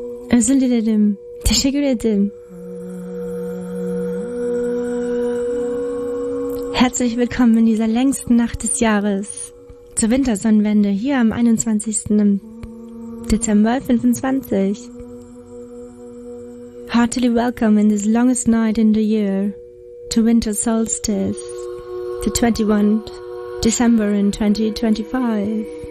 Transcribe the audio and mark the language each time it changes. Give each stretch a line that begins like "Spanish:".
Turkish: Özledim, teşekkür ederim.
German: Herzlich willkommen in dieser längsten Nacht des Jahres zur Wintersonnenwende hier am 21. Dezember 25.
English: Heartily welcome in this longest night in the year to winter solstice, the 21 December in 2025.